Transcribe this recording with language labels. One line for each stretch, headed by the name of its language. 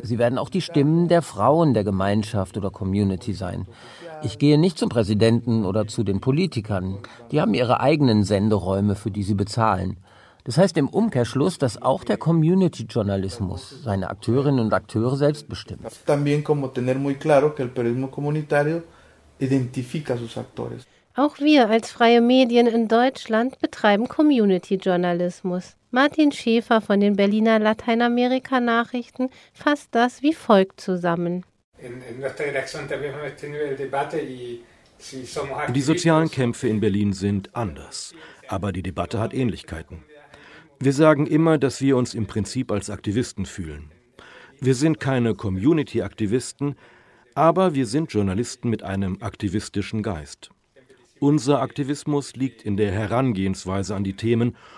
German: Sie werden auch die Stimmen der Frauen der Gemeinschaft oder Community sein. Ich gehe nicht zum Präsidenten oder zu den Politikern. Die haben ihre eigenen Senderäume, für die sie bezahlen. Das heißt im Umkehrschluss, dass auch der Community-Journalismus seine Akteurinnen und Akteure selbst bestimmt.
Spanish: También como tener muy claro que el periodismo comunitario identifica sus actores.
German: Auch wir als freie Medien in Deutschland betreiben Community-Journalismus. Martin Schäfer von den Berliner Lateinamerika-Nachrichten fasst das wie folgt zusammen.
Spanish: In nuestra redacción también hemos tenido el debate y si somos activos.
German: Die sozialen Kämpfe in Berlin sind anders, aber die Debatte hat Ähnlichkeiten. Wir sagen immer, dass wir uns im Prinzip als Aktivisten fühlen. Wir sind keine Community-Aktivisten, aber wir sind Journalisten mit einem aktivistischen Geist. Unser Aktivismus liegt in der Herangehensweise an die Themen